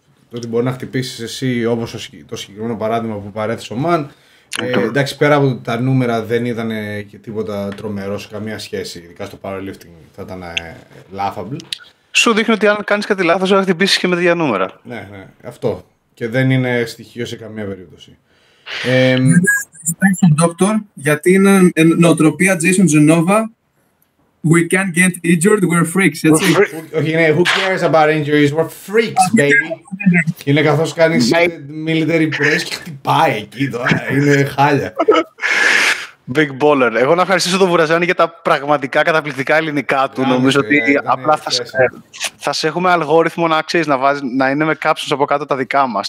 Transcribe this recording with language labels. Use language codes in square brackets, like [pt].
[el] Το ότι μπορεί να χτυπήσεις εσύ, όπως το συγκεκριμένο παράδειγμα που παρέθεσε ο Μαν. Εντάξει, πέρα από τα νούμερα δεν ήταν και τίποτα τρομερό σε καμία σχέση, ειδικά στο powerlifting θα ήταν laughable. Σου δείχνει ότι αν κάνεις κάτι λάθος, θα χτυπήσεις και με τέτοια νούμερα. Ναι, ναι, αυτό. Και δεν είναι στοιχείο σε καμία περίπτωση. [en] Thank you, doctor, [el] γιατί είναι νοοτροπία Jason Genova. [en] We can't get injured, we're freaks. That's we're [el] Όχι, είναι, [en] who cares about injuries, we're freaks, baby. [el] Είναι καθώς κάνεις military press και χτυπάει εκεί τώρα, είναι χάλια. [en] Big baller. [el] Εγώ να ευχαριστήσω τον Βουραζάνη για τα πραγματικά καταπληκτικά ελληνικά του. Νομίζω ότι απλά θα σε έχουμε αλγόριθμο να ξέρεις να, να είναι με κάψους από κάτω τα δικά μας.